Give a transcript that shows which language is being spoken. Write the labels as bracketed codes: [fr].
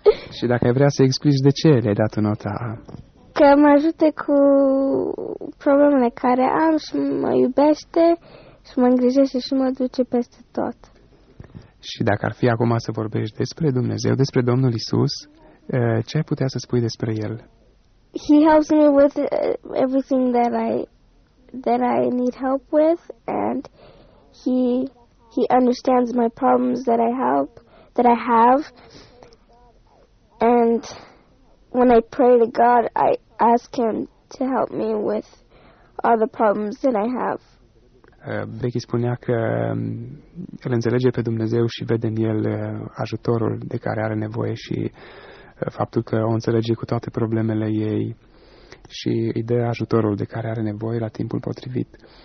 [ro] Și dacă ai vrea să explici de ce le-ai dat o notă A? Că mă ajute cu problemele care am și mă iubește și mă îngrijește și mă duce peste tot. Și dacă ar fi acum să vorbești despre Dumnezeu, despre Domnul Iisus, ce ai putea să spui despre El? [en] He helps me with everything that I need help with, and he understands my problems that I have, and when I pray to God, I ask Him to help me with all the problems that I have. [ro] Becky spunea că el înțelege pe Dumnezeu și vede în el ajutorul de care are nevoie și faptul că o înțelege cu toate problemele ei și îi dă ajutorul de care are nevoie la timpul potrivit.